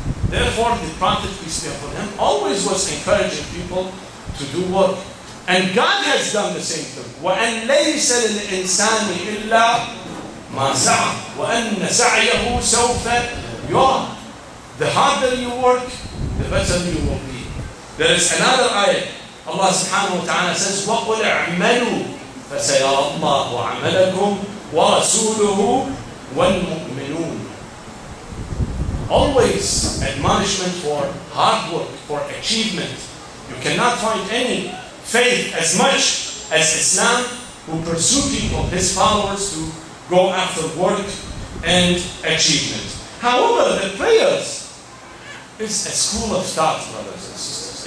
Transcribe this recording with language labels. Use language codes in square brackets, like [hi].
[en] Therefore the Prophet, peace be upon him, always was encouraging people to do work. And God has done the same thing. [ar] وَأَنْ لَيْسَ لِلْإِنسَانِ إِلَّا مَا سَعَى وَأَنَّ سَعْيَهُ سَوْفَ يُرَى. [en] The harder you work, the better you will be. There is another ayah. Allah subhanahu wa ta'ala says, [ar] وَقُلْ اَعْمَلُوا فَسَيَرَى اللَّهُ عَمَلَكُمْ وَرَسُولُهُ وَالْمُؤْمِنُونَ. [en] Always admonishment for hard work, for achievement. You cannot find any faith as much as Islam, who pursue people, his followers, to go after work and achievement. However, the prayers is a school of thought, brothers and sisters.